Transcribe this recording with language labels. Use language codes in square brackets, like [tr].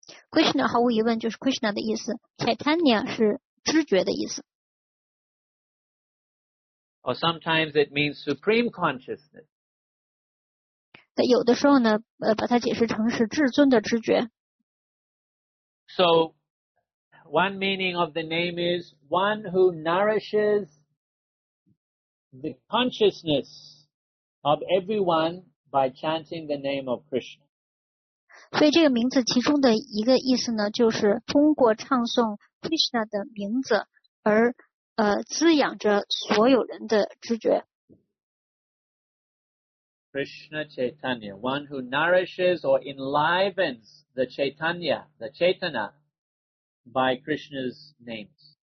[zh] Krishna 毫无疑问就是 Krishna 的意思， Chaitanya 是知觉的意思。 [en] Or sometimes it means supreme consciousness. [zh] 在有的时候呢，把它解释成是至尊的知觉。 [en] So, one meaning of the name is one who nourishes the consciousness of everyone. By chanting the name of Krishna. [zh] 所以这个名字其中的一个意思呢，就是通过唱诵 Krishna 的名字而滋养着所有人的知觉。 [en] Krishna Chaitanya, one who nourishes or enlivens the Chaitanya, the Chaitana, by Krishna's names.